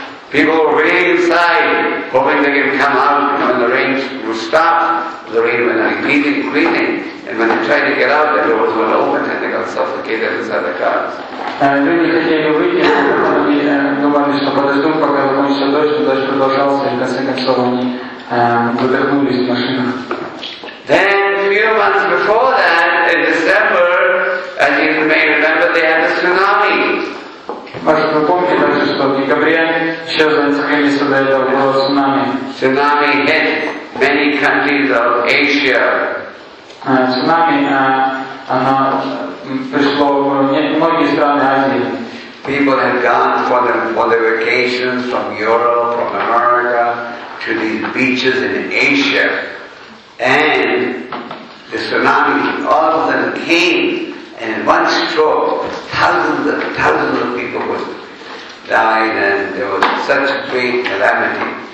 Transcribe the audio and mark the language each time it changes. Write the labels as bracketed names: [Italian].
[English] People were waiting inside, hoping they could come out when the rain would stop. The rain went increasing, and when they tried to get out, the doors were open and they got suffocated inside the cars. [Russian] Люди хотели выйти, они думали, что подождут, пока закончится дождь, дождь продолжался, и в конце концов они выдохнулись в машинах. [English] Then, a few months before that, in December, as you may remember, they had a tsunami. [Russian] Может, вы помните также, что в декабре, еще за несколько месяцев до этого, было цунами. [English] Цунами hit many countries of Asia. [Russian] Цунами, оно пришло в многие страны Азии. [English] People had gone for their vacations from Europe, from America, to these beaches in Asia. And the tsunami all of them came. And in one stroke, thousands of people were died, and there was such great calamity.